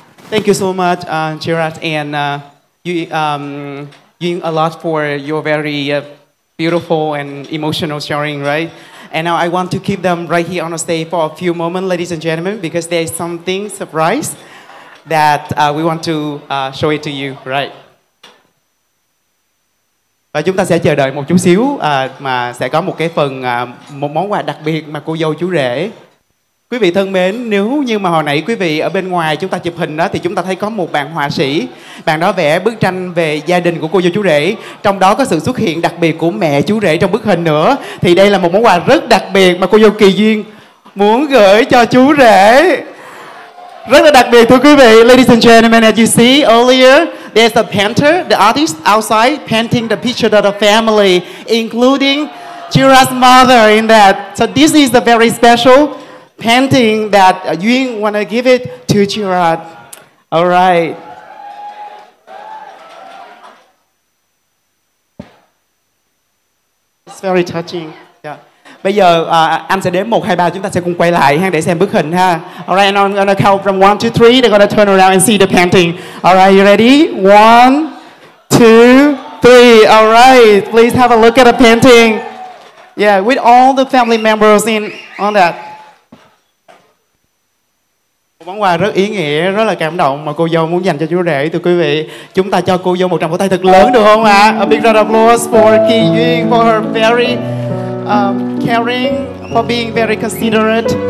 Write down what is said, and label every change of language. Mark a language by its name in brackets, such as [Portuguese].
[English] Thank you so much, Gerard, and you a lot for your very beautiful and emotional sharing, right? And now I want to keep them right here on the stage for a few moments, ladies and gentlemen, because there is something surprise that we want to show it to you, right? [Vietnamese] Và chúng ta sẽ chờ đợi một chút xíu mà sẽ có một cái phần, một món quà đặc biệt mà cô dâu chú rể. Quý vị thân mến, nếu như mà hồi nãy quý vị ở bên ngoài chúng ta chụp hình đó, thì chúng ta thấy có một bạn họa sĩ, bạn đó vẽ bức tranh về gia đình của cô dâu chú rể, trong đó có sự xuất hiện đặc biệt của mẹ chú rể trong bức hình nữa. Thì đây là một món quà rất đặc biệt mà cô dâu Kỳ Duyên muốn gửi cho chú rể. Rất là đặc biệt thưa quý vị. [English] Ladies and gentlemen, as you see earlier, there's a painter, the artist outside painting the picture of the family, including Gerard's mother in that. So this is the very special painting that Duyên want to give it to Gerard. All right. It's very touching. Yeah. [Vietnamese] Bây giờ anh sẽ đếm 1, 2, 3, chúng ta sẽ cùng quay lại ha, để xem bức hình ha. [English] All right, and I'm going to count from 1, 2, 3. They're going to turn around and see the painting. All right, you ready? 1, 2, 3. All right, please have a look at the painting. Yeah, with all the family members in on that. [Vietnamese] Một món quà rất ý nghĩa, rất là cảm động mà cô dâu muốn dành cho chú rể. Thưa quý vị, chúng ta cho cô dâu một tràng vỗ tay thật lớn được không ạ? [English] A big round of applause for Kỳ Duyên, for her very caring, for being very considerate.